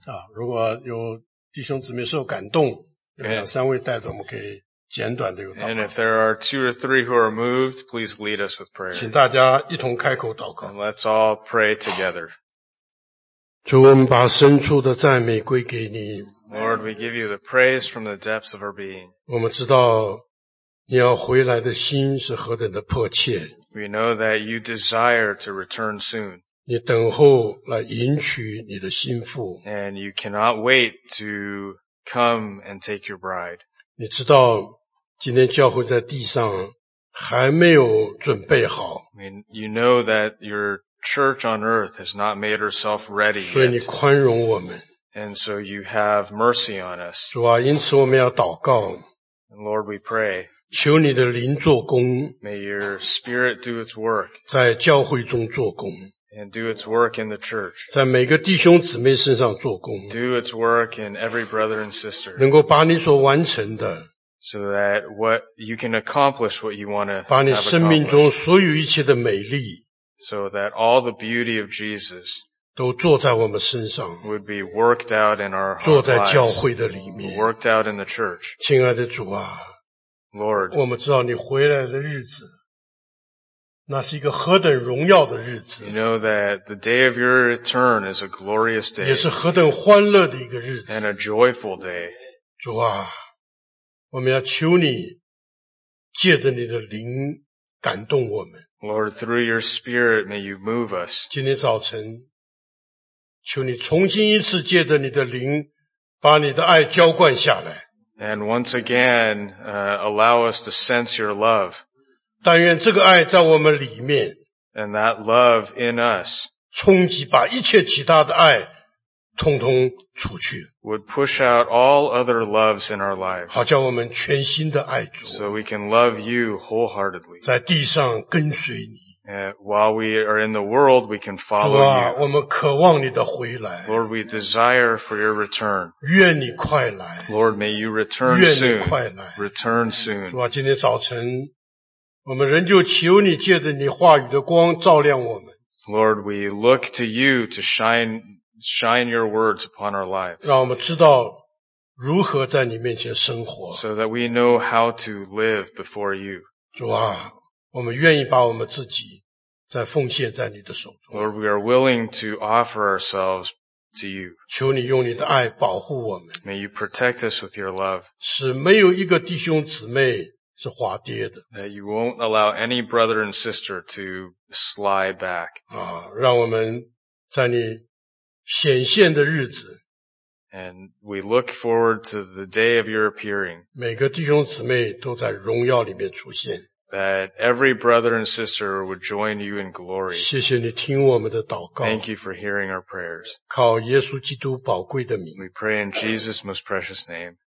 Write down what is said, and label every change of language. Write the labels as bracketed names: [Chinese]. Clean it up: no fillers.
[Chinese] 啊，如果有弟兄姊妹受感动，两三位带着我们可以简短的有祷告。 [English] And if there are two or three who are moved, please lead us with prayer. [Chinese] 请大家一同开口祷告。 [English] And let's all pray together. [Chinese] 主，我们把深处的赞美归给你。 [English] Lord, we give you the praise from the depths of our being. [Chinese] 我们知道你要回来的心是何等的迫切。 [English] We know that you desire to return soon. [Chinese] 你等候来迎娶你的心腹。 [English] And you cannot wait to come and take your bride. [Chinese] 你知道今天教会在地上还没有准备好。 [English] I mean, you know that your church on earth has not made herself ready yet. [Chinese] 所以你宽容我们。 [English] And so you have mercy on us. [Chinese] 主啊，因此我们要祷告。 [English] And Lord, we pray. [Chinese] 求你的灵做工， [English] May your spirit do its work, [Chinese] 在教会中做工， [English] and do its work in the church, [Chinese] 在每个弟兄姊妹身上做工， [English] do its work in every brother and sister, [Chinese] 能够把你所完成的， [English] so that what you can accomplish what you want to have accomplished, [Chinese] 把你生命中所有一切的美丽， [English] so that all the beauty of Jesus [Chinese] 都坐在我们身上， [English] would be worked out in our lives, [Chinese] 坐在教会的里面， [English] worked out in the church. [Chinese] 亲爱的主啊， [English] Lord, [Chinese] 我们知道你回来的日子，那是一个何等荣耀的日子。 [English] You know that the day of your return is a glorious day. [Chinese] 也是何等欢乐的一个日子。 [English] And a joyful day. [Chinese] 主啊，我们要求你借着你的灵感动我们。 [English] Lord, through your spirit, may you move us. [Chinese] 今天早晨，求你重新一次借着你的灵，把你的爱浇灌下来。 [English] And once again, allow us to sense your love. [Chinese] 但愿这个爱在我们里面。 [English] And that love in us. [Chinese] 冲击把一切其他的爱通通出去。 [English] Would push out all other loves in our lives. [Chinese] 好叫我们全心的爱主。 [English] So we can love you wholeheartedly. [Chinese] 在地上跟随你。 [English] And while we are in the world, we can follow [Chinese] 主啊, [English] you. [Chinese] 我们渴望你的回来。 [English] Lord, we desire for your return. [Chinese] 愿你快来。 [English] Lord, may you return soon. [Chinese] 愿你快来。 [English] Return soon. [Chinese] 主啊, 今天早晨, 我们仍旧求你借着你话语的光照亮我们。 [English] Lord, we look to you to shine your words upon our lives. [Chinese] 让我们知道如何在你面前生活。 [English] So that we know how to live before you. [Chinese] 主啊。我们愿意把我们自己再奉献在你的手中。 [English] Lord, we are willing to offer ourselves to you. [Chinese] 求你用你的爱保护我们。 [English] May you protect us with your love. [Chinese] 使没有一个弟兄姊妹是滑跌的。 [English] That you won't allow any brother and sister to slide back. [Chinese] 啊，让我们在你显现的日子。 [English] And we look forward to the day of your appearing. [Chinese] 每个弟兄姊妹都在荣耀里面出现。 [English] That every brother and sister would join you in glory. [Chinese] 谢谢你听我们的祷告。 [English] Thank you for hearing our prayers. [Chinese] 靠耶稣基督宝贵的名。 [English] We pray in Jesus' most precious name.